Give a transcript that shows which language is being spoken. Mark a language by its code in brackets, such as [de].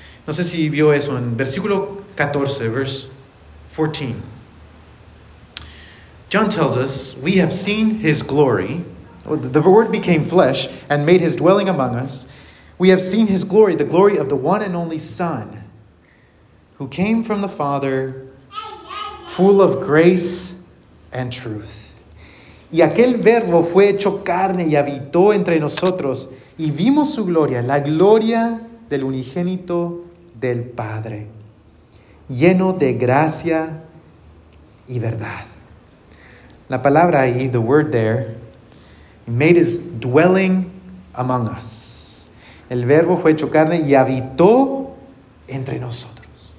[es] No sé si vio eso en versículo 14, [en] verse 14. John tells us, we have seen his glory. The word became flesh and made his dwelling among us. We have seen his glory, the glory of the one and only Son, who came from the Father, full of grace and truth. [es] Y aquel Verbo fue hecho carne y habitó entre nosotros. Y vimos su gloria, la gloria del unigénito del Padre, lleno de gracia y verdad. La palabra ahí, [en] the word there, made his dwelling among us. [es] El Verbo fue hecho carne y habitó entre nosotros.